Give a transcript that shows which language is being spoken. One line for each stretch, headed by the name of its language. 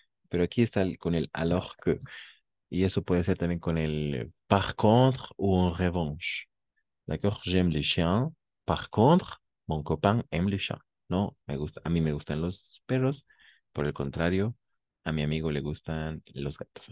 Spanish: Pero aquí está con el alors que. Y eso puede ser también con el par contre ou en revanche.
French: D'accord? J'aime les chiens. Par contre, mon copain aime les chats.
Spanish: No, me gusta, a mí me gustan los perros. Por el contrario, a mi amigo le gustan los gatos.